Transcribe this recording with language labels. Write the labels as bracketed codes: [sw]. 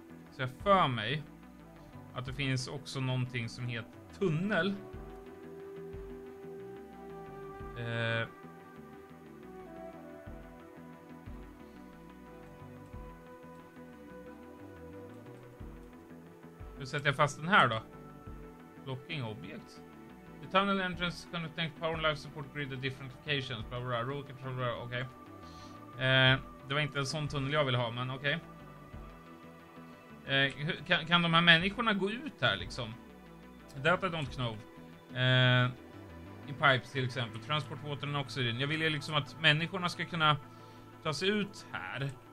[sv] Så jag för mig att det finns också någonting som heter tunnel. Nu sätter jag fast den här då. [en] Blocking object. The tunnel entrance can contain power and life support grid at different locations. Blah, blah, blah, blah, blah, blah. Okay. [sv] Det var inte en sån tunnel jag ville ha, men okej. [en] Okay. [sv] Kan de här människorna gå ut här liksom? [en] That I don't know. [sv] I pipes till exempel. [en] Transport, water and oxygen. [sv] Jag vill ju liksom att människorna ska kunna ta sig ut här.